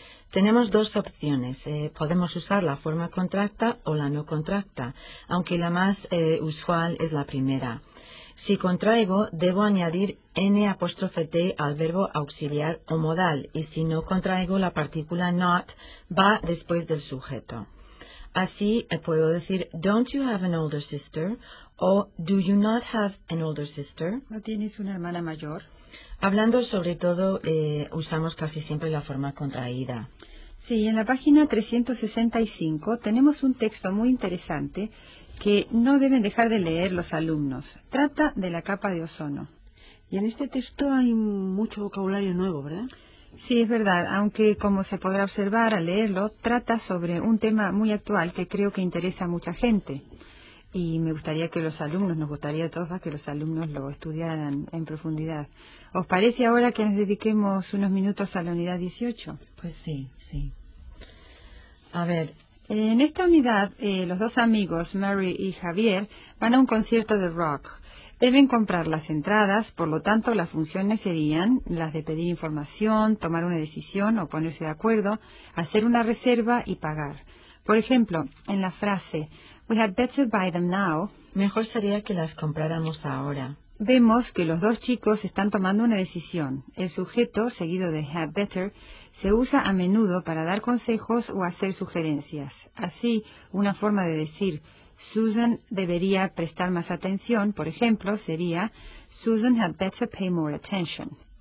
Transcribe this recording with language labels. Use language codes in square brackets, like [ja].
[es] Tenemos dos opciones. Podemos usar la forma contracta o la no contracta, aunque la más usual es la primera. Si contraigo, debo añadir n' al verbo auxiliar o modal, y si no contraigo, la partícula not va después del sujeto. Así puedo decir, [en] don't you have an older sister? O do you not have an older sister? [es] ¿No tienes una hermana mayor? Hablando sobre todo, usamos casi siempre la forma contraída. Sí, en la página 365 tenemos un texto muy interesante que no deben dejar de leer los alumnos. Trata de la capa de ozono. Y en este texto hay mucho vocabulario nuevo, ¿verdad? Sí, es verdad, aunque como se podrá observar al leerlo, trata sobre un tema muy actual que creo que interesa a mucha gente. Y me gustaría que los alumnos, nos gustaría a todos que los alumnos lo estudiaran en profundidad. ¿Os parece ahora que nos dediquemos unos minutos a la unidad 18? Pues sí, sí. A ver. En esta unidad, los dos amigos, Mary y Javier, van a un concierto de rock. Deben comprar las entradas, por lo tanto las funciones serían las de pedir información, tomar una decisión o ponerse de acuerdo, hacer una reserva y pagar. Por ejemplo, en la frase, [en] we had better buy them now, [es] mejor sería que las compráramos ahora. Vemos que los dos chicos están tomando una decisión. El sujeto, seguido de had better, se usa a menudo para dar consejos o hacer sugerencias. Así, una forma de decir, Susan debería prestar más atención, por ejemplo, sería [en] Susan had better pay more attention.